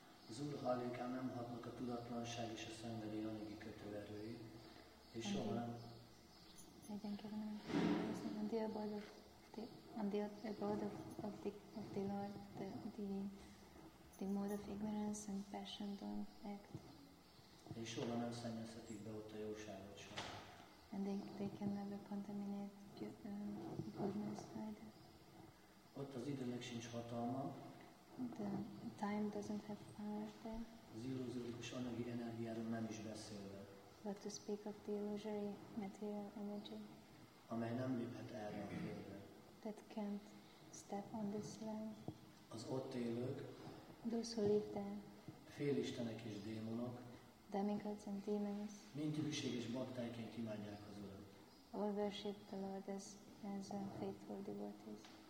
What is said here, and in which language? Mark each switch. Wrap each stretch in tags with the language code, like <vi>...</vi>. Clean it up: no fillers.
<hu>Az Úr hajlékán nem hatnak a tudatlanság és a szenvedély anyagi kötőerői, és soha nem...</hu> <en>The mode of ignorance and passion don't act.</en> <hu>És soha nem szennyezhetik be ott a jóságot sem.</hu> <en>And they can never contaminate goodness either.</en> <hu>Ott az időnek sincs hatalma.</hu> <en>The time doesn't have power there.</en> <hu>Az illuziós anyagi energiáról nem is beszélve.</hu> <en>But to speak of the illusory material energy.</en> <hu>Amely nem léphet erre a földre.</hu> <en>That can't step on this land.</en> <hu>Az ott élők.</hu> <en>Those who live there.</en> <hu>Félistenek és démonok.</hu> <en>Demigods and demons.</en> <hu>Mint hűséges baktáiként imádják az Urat.</hu> <en>All worship the Lord as faithful devotees.</en>